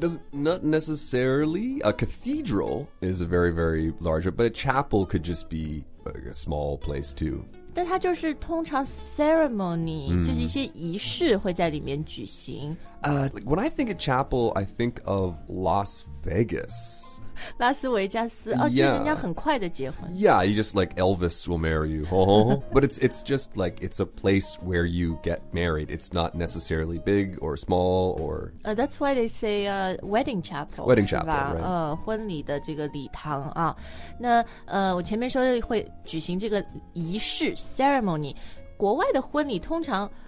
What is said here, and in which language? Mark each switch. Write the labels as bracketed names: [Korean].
[English] Not necessarily A cathedral is a very very large But a chapel could just be like, a small place too [Chinese] 但它就是通常 ceremony、就是一些仪式会在里面举行、 [English] When I think of chapel I think of Las Vegas [Chinese] 拉斯维加斯哦，这人家很快的结婚。 [English] Yeah, you just like Elvis will marry you. But it's just like it's a place where you get married. It's not necessarily big or small or. That's why they say wedding chapel. Wedding chapel, right? [Chinese] 婚礼的这个礼堂啊。那我前面说会举行这个仪式 ceremony， 国外的婚礼通常。